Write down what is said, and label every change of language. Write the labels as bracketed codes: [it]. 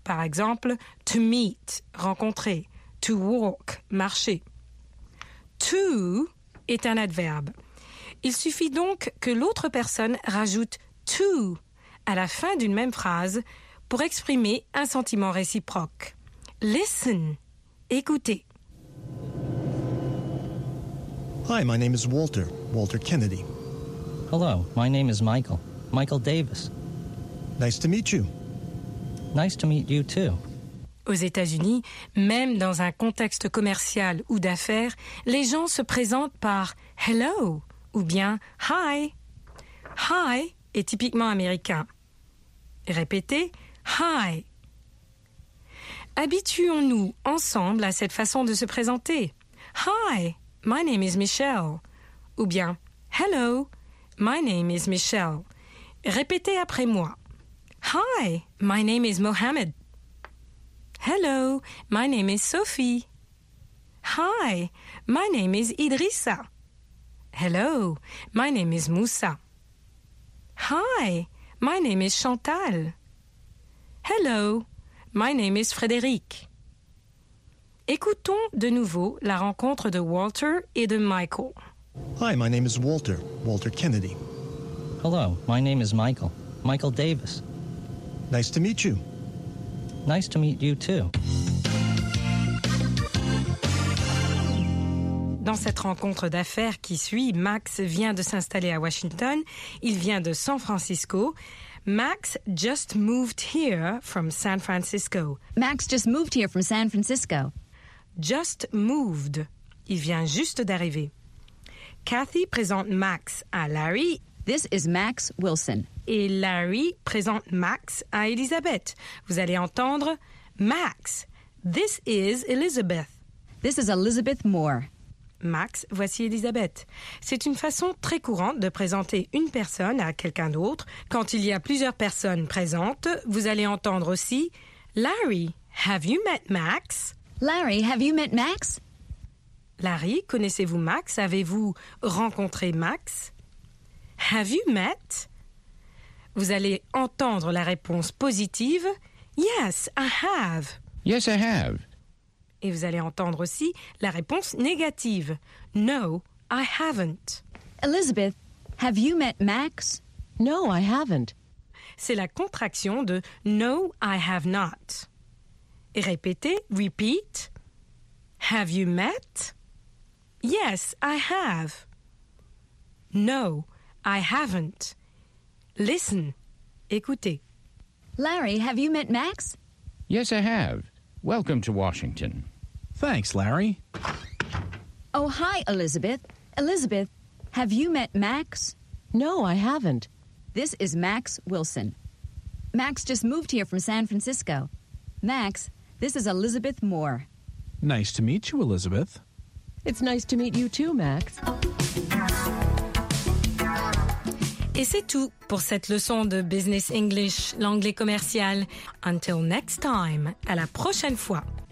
[fr] Par exemple, [en] to meet, [fr] rencontrer. [en] To walk, [fr] marcher. To est un adverbe. Il suffit donc que l'autre personne rajoute to à la fin d'une même phrase pour exprimer un sentiment réciproque. [en] Listen, [fr] écoutez. [en] Hi, my name is Walter, Walter Kennedy. Hello, my name is Michael, Michael Davis. Nice to meet you. Nice to meet you too. [fr] Aux États-Unis, même dans un contexte commercial ou d'affaires, les gens se présentent par « hello » ou bien « hi ».« Hi » est typiquement américain. Répétez « hi ». Habituons-nous ensemble à cette façon de se présenter. [en] « Hi, my name is Michelle » ou bien « hello, my name is Michelle ». [fr] Répétez après moi. [en] « Hi, my name is Mohammed ». Hello, my name is Sophie. Hi, my name is Idrissa. Hello, my name is Moussa. Hi, my name is Chantal. Hello, my name is Frédéric. [fr] Écoutons de nouveau la rencontre de Walter et de Michael. [en] Hi, my name is Walter, Walter Kennedy. Hello, my name is Michael, Michael Davis. Nice to meet you. Nice to meet you too. [fr] Dans cette rencontre d'affaires qui suit, Max vient de s'installer à Washington. Il vient de San Francisco. [en] Max just moved here from San Francisco. Max just moved here from San Francisco. Just moved. [fr] Il vient juste d'arriver. Kathy présente Max à Larry. [en] This is Max Wilson. [fr] Et Larry présente Max à Elizabeth. Vous allez entendre Max, [en] this is Elizabeth. This is Elizabeth Moore. [fr] Max, voici Elizabeth. C'est une façon très courante de présenter une personne à quelqu'un d'autre. Quand il y a plusieurs personnes présentes, vous allez entendre aussi [en] Larry, have you met Max? Larry, have you met Max? [fr] Larry, connaissez-vous Max? Avez-vous rencontré Max? [en] Have you met? [fr] Vous allez entendre la réponse positive. [en] Yes, I have. Yes, I have. [fr] Et vous allez entendre aussi la réponse négative. [en] No, I haven't. Elizabeth, have you met Max? No, I haven't. [fr] C'est la contraction de [en] no, I have not. [fr] Et répétez, [en] repeat. Have you met? Yes, I have. No, I haven't. Listen. [fr] Écoutez. [en] Larry, have you met Max? Yes, I have. Welcome to Washington. Thanks, Larry. Oh, hi, Elizabeth. Elizabeth, have you met Max? No, I haven't. This is Max Wilson. Max just moved here from San Francisco. Max, this is Elizabeth Moore. Nice to meet you, Elizabeth. It's nice to meet you too, Max. [fr] Et c'est tout pour cette leçon de Business English, l'anglais commercial. [en] Until next time, [fr] à la prochaine fois.